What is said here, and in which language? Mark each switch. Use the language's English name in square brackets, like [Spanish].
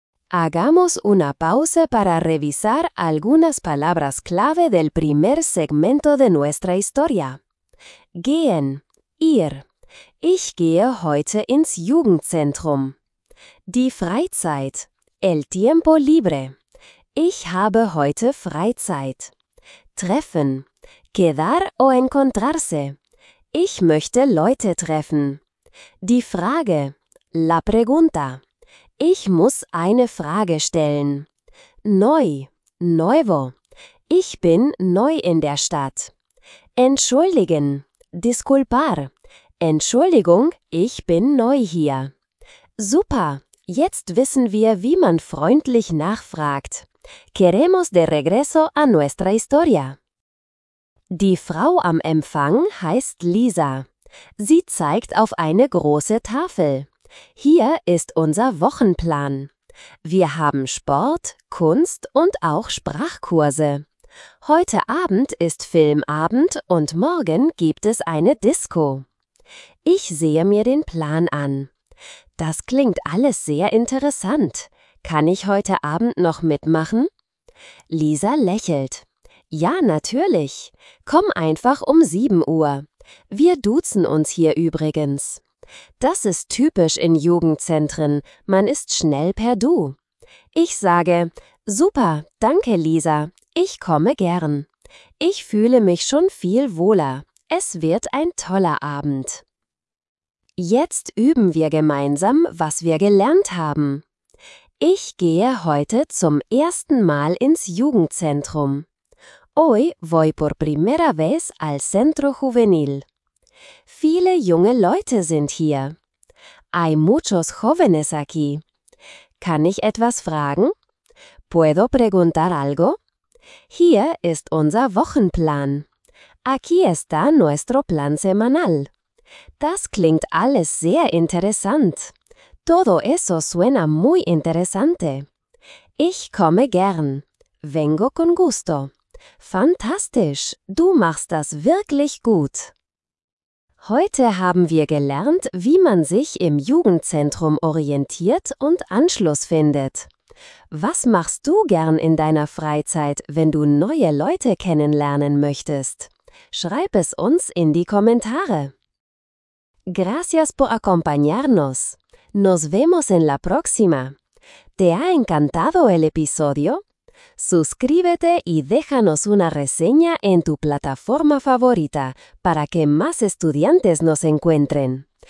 [Spanish] Hagamos una pausa para revisar algunas palabras clave del primer segmento de nuestra historia. [German] Gehen, ir. Ich gehe heute ins Jugendzentrum. Die Freizeit, [Spanish] el tiempo libre. [German] Ich habe heute Freizeit. Treffen, [Spanish] quedar o encontrarse. [German] Ich möchte Leute treffen. Die Frage, [Spanish] la pregunta. [German] Ich muss eine Frage stellen. Neu, nuevo. Ich bin neu in der Stadt. Entschuldigen, disculpar. Entschuldigung, ich bin neu hier. Super, jetzt wissen wir, wie man freundlich nachfragt. [Spanish] Queremos de regreso a nuestra historia. [German] Die Frau am Empfang heißt Lisa. Sie zeigt auf eine große Tafel. Hier ist unser Wochenplan. Wir haben Sport, Kunst und auch Sprachkurse. Heute Abend ist Filmabend und morgen gibt es eine Disco. Ich sehe mir den Plan an. Das klingt alles sehr interessant. Kann ich heute Abend noch mitmachen? Lisa lächelt. Ja, natürlich. Komm einfach um 7 Uhr. Wir duzen uns hier übrigens. Das ist typisch in Jugendzentren. Man ist schnell per Du. Ich sage, super, danke Lisa. Ich komme gern. Ich fühle mich schon viel wohler. Es wird ein toller Abend. Jetzt üben wir gemeinsam, was wir gelernt haben. Ich gehe heute zum ersten Mal ins Jugendzentrum. [Spanish] Hoy voy por primera vez al centro juvenil. [German] Viele junge Leute sind hier. [Spanish] Hay muchos jóvenes aquí. [German] Kann ich etwas fragen? [Spanish] ¿Puedo preguntar algo? [German] Hier ist unser Wochenplan. [Spanish] Aquí está nuestro plan semanal. [German] Das klingt alles sehr interessant. [Spanish] Todo eso suena muy interesante. [German] Ich komme gern. [Spanish] Vengo con gusto. [German] Fantastisch, du machst das wirklich gut. Heute haben wir gelernt, wie man sich im Jugendzentrum orientiert und Anschluss findet. Was machst du gern in deiner Freizeit, wenn du neue Leute kennenlernen möchtest? Schreib es uns in die Kommentare. [Spanish] Gracias por acompañarnos. Nos vemos en la próxima. ¿Te ha encantado el episodio? Suscríbete y déjanos una reseña en tu plataforma favorita para que más estudiantes nos encuentren.